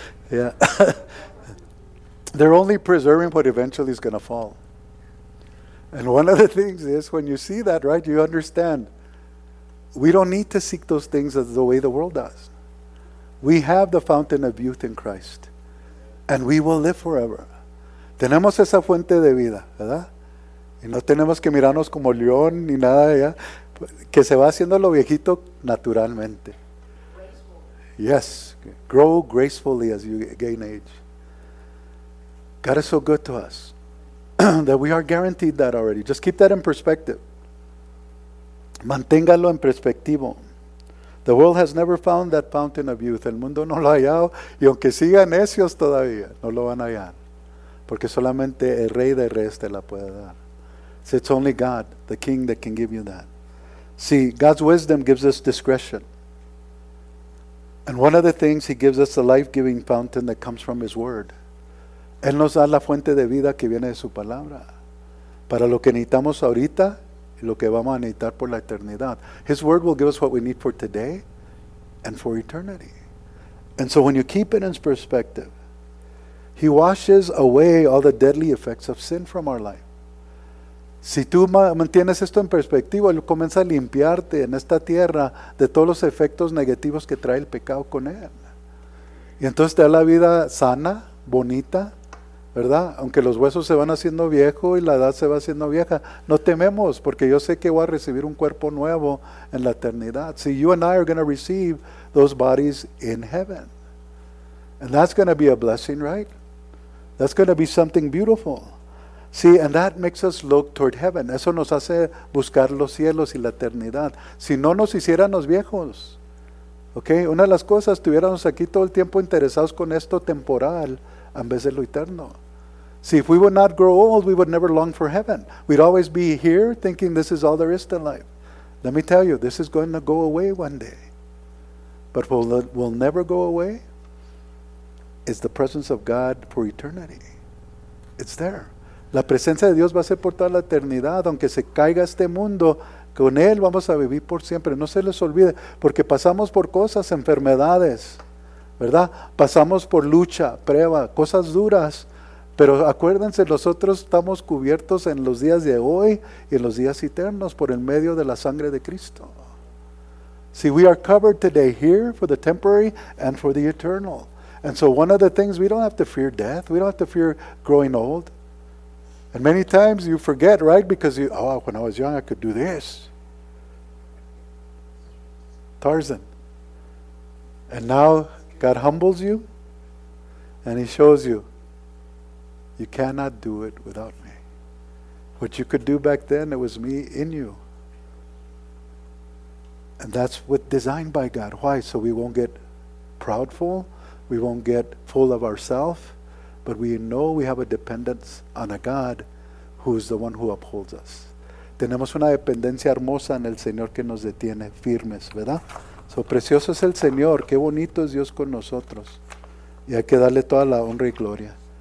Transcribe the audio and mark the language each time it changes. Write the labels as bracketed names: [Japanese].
[English] Yeah. They're only preserving what eventually is going to fall. And one of the things is when you see that, right, you understand we don't need to seek those things the way the world does. We have the fountain of youth in Christ. And we will live forever. [Spanish] Tenemos esa fuente de vida, ¿verdad? Y no tenemos que mirarnos como león ni nada, ¿ya? Que se va haciendo lo viejito naturalmente. [English] Graceful. Yes, grow gracefully as you gain age. God is so good to us that we are guaranteed that already. Just keep that in perspective. [Spanish] Manténgalo en perspectivo. [English] The world has never found that fountain of youth. [Spanish] El mundo no lo ha hallado. Y aunque sigan necios todavía, no lo van a hallar. Porque solamente el Rey de Reyes te la puede dar. [English] So it's only God, the King, that can give you that. See, God's wisdom gives us discretion. And one of the things, he gives us the life-giving fountain that comes from his word. [Spanish] Él nos da la fuente de vida que viene de su palabra. Para lo que necesitamos ahorita, y lo que vamos a necesitar por la eternidad. [English] His word will give us what we need for today and for eternity. And so when you keep it in perspective, he washes away all the deadly effects of sin from our life. [Spanish] Si tú mantienes esto en perspectiva, él comienza a limpiarte en esta tierra de todos los efectos negativos que trae el pecado con él. Y entonces te da la vida sana, bonita, ¿verdad? Aunque los huesos se van haciendo viejo y la edad se va haciendo vieja, no tememos, porque yo sé que voy a recibir un cuerpo nuevo en la eternidad. [English] See, you and I are going to receive those bodies in heaven. And that's going to be a blessing, right? That's going to be something beautiful. See, and that makes us look toward heaven. [Spanish] Eso nos hace buscar los cielos y la eternidad. Si no nos hiciéramos viejos, okay? Una de las cosas, estuviéramos aquí todo el tiempo interesados con esto temporal en vez de lo eterno. [English] See, if we would not grow old, we would never long for heaven. We'd always be here thinking this is all there is to life. Let me tell you, this is going to go away one day. But what will never go away is the presence of God for eternity. It's there. [Spanish] La presencia de Dios va a ser por toda la eternidad. Aunque se caiga este mundo, con Él vamos a vivir por siempre. No se les olvide, porque pasamos por cosas, enfermedades, ¿verdad? Pasamos por lucha, prueba, cosas duras. Pero acuérdense, nosotros estamos cubiertos en los días de hoy y en los días eternos por el medio de la sangre de Cristo. [English] See, we are covered today here for the temporary and for the eternal. And so one of the things, we don't have to fear death. We don't have to fear growing old. And many times you forget, right? Because you, oh, when I was young, I could do this. Tarzan. And now God humbles you and He shows you, you cannot do it without me. What you could do back then, it was me in you. And that's what designed by God. Why? So we won't get proudful. We won't get full of ourselves. But we know we have a dependence on a God who is the one who upholds us. [Spanish] Tenemos una dependencia hermosa en el Señor que nos detiene firmes, ¿verdad? So precioso es el Señor. Qué bonito es Dios con nosotros. Y hay que darle toda la honra y gloria.